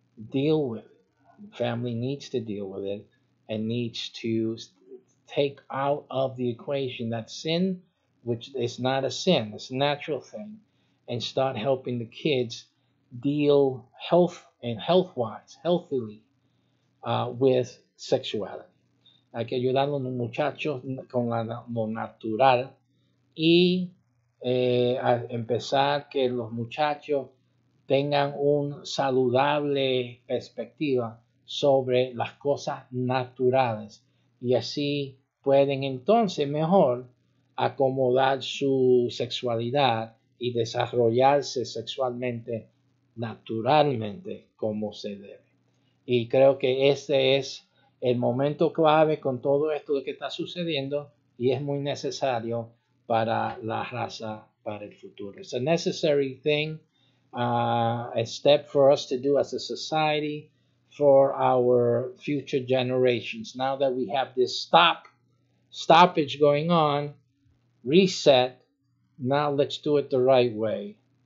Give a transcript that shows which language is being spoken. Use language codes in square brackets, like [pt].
[en] Deal with it. Family needs to deal with it and needs to take out of the equation that sin, which is not a sin, it's a natural thing, and start helping the kids deal healthily with sexuality. [es] Hay que ayudar a los muchachos con lo natural y a empezar que los muchachos tengan una saludable perspectiva sobre las cosas naturales. Y así pueden entonces mejor acomodar su sexualidad y desarrollarse sexualmente naturalmente como se debe. Y creo que este es el momento clave con todo esto que está sucediendo y es muy necesario para la raza, para el futuro. [en] It's a necessary thing, a step for us to do as a society for our future generations. Now that we have this stoppage going on, reset, now let's do it the right way.